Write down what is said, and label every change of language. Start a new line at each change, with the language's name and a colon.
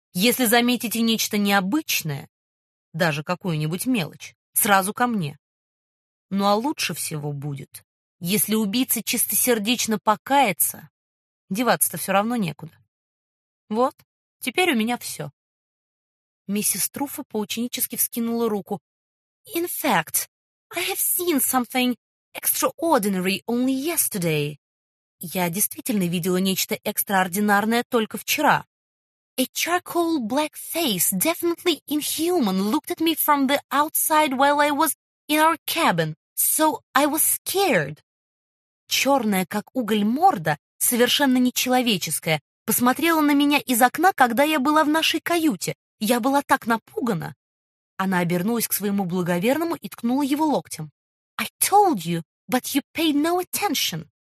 Russian: Если заметите нечто необычное, даже какую-нибудь мелочь, сразу ко мне. Ну а лучше всего будет, если убийца чистосердечно покается. Деваться-то все равно некуда. Вот, теперь у меня все». Миссис Труффо поученически вскинула руку.
English: «In fact, I have seen something extraordinary only yesterday».
Russian: «Я действительно видела нечто экстраординарное только вчера».
English: «A charcoal black face, definitely inhuman, looked at me from the outside while I was in our cabin, so I was scared».
Russian: «Черная, как уголь морда, совершенно нечеловеческая, посмотрела на меня из окна, когда я была в нашей каюте. Я была так напугана». Она обернулась к своему благоверному и ткнула его локтем.
English: «I told you, but you paid no attention».